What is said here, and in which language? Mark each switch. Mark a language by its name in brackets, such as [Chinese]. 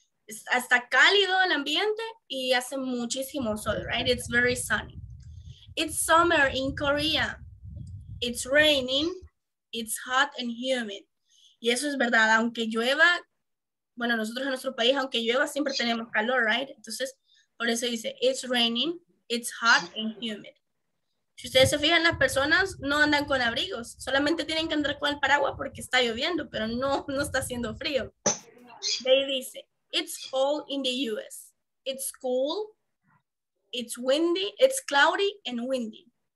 [Spanish] Está cálido el ambiente y hace muchísimo sol, right? [English] It's very sunny. It's summer in Korea. It's raining, it's hot and humid. [Spanish] Y eso es verdad, aunque llueva, bueno, nosotros en nuestro país, aunque llueva, siempre tenemos calor, right? Entonces, por eso dice, [English] it's raining, it's hot and humid. [Spanish] Si ustedes se fijan, las personas no andan con abrigos, solamente tienen que andar con el paraguas porque está lloviendo, pero no está haciendo frío. [English] They [Spanish] dice, [English] it's cold in the US. It's cool, it's windy, it's cloudy and windy.